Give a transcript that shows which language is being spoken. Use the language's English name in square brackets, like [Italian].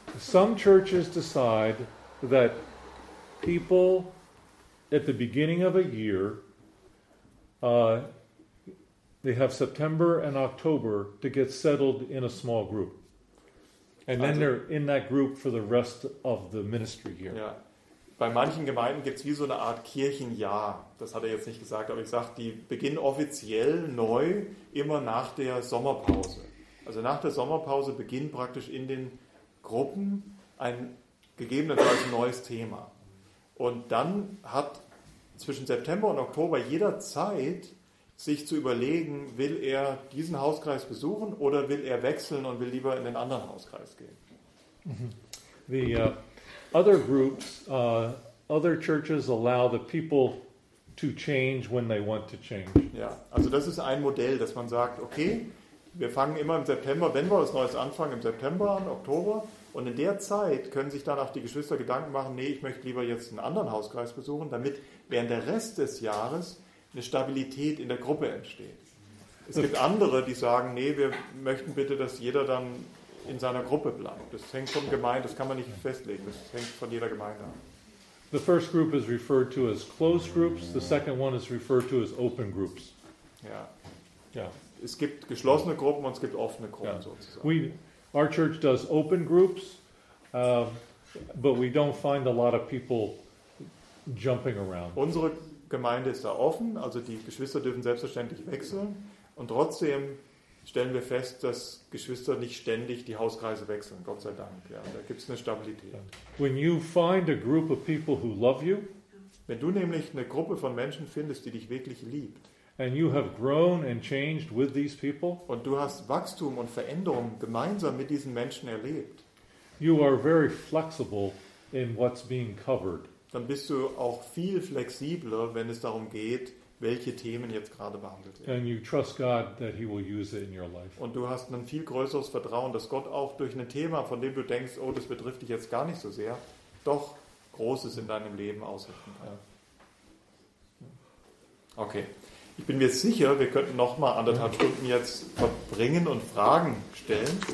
[English] Some churches decide that people at the beginning of a year, they have September and October to get settled in a small group. And then they're in that group for the rest of the ministry year. [German] Ja. Bei manchen Gemeinden gibt es wie so eine Art Kirchenjahr. Das hat er jetzt nicht gesagt, aber ich sage, die beginnen offiziell neu immer nach der Sommerpause. Also nach der Sommerpause beginnt praktisch in den Gruppen ein gegebenenfalls neues Thema. Und dann hat zwischen September und Oktober jeder Zeit, sich zu überlegen, will er diesen Hauskreis besuchen oder will er wechseln und will lieber in den anderen Hauskreis gehen. [English] The other groups, other churches allow the people to change when they want to change. [German] Ja, also das ist ein Modell, dass man sagt, okay, wir fangen immer im September, wenn wir was Neues anfangen, im September an, Oktober. Und in der Zeit können sich dann auch die Geschwister Gedanken machen, nee, ich möchte lieber jetzt einen anderen Hauskreis besuchen, damit während der Rest des Jahres eine Stabilität in der Gruppe entsteht. Es gibt andere, die sagen, nee, wir möchten bitte, dass jeder dann in seiner Gruppe bleibt. Das hängt vom Gemeinde, das kann man nicht festlegen, das hängt von jeder Gemeinde an. [English] The first group is referred to as closed groups, the second one is referred to as open groups. [German] Ja. Ja. Es gibt geschlossene Gruppen und es gibt offene Gruppen sozusagen. [English] Our church does open groups, but we don't find a lot of people jumping around. [German] Unsere Gemeinde ist da offen, also die Geschwister dürfen selbstverständlich wechseln. Und trotzdem stellen wir fest, dass Geschwister nicht ständig die Hauskreise wechseln, Gott sei Dank. Ja, da gibt es eine Stabilität. [English] When you find a group of people who love you, [German] wenn du nämlich eine Gruppe von Menschen findest, die dich wirklich liebt, [English] and you have grown and changed with these people, [German] und du hast Wachstum und Veränderung gemeinsam mit diesen Menschen erlebt, [English] you are very flexible in what's being covered. [German] Dann bist du auch viel flexibler, wenn es darum geht, welche Themen jetzt gerade behandelt werden. [English] And you trust God that he will use it in your life. [German] Und du hast ein viel größeres Vertrauen, dass Gott auch durch ein Thema, von dem du denkst, oh, das betrifft dich jetzt gar nicht so sehr, doch Großes in deinem Leben aushalten kann. Okay. Ich bin mir sicher, wir könnten noch mal anderthalb Stunden jetzt verbringen und Fragen stellen.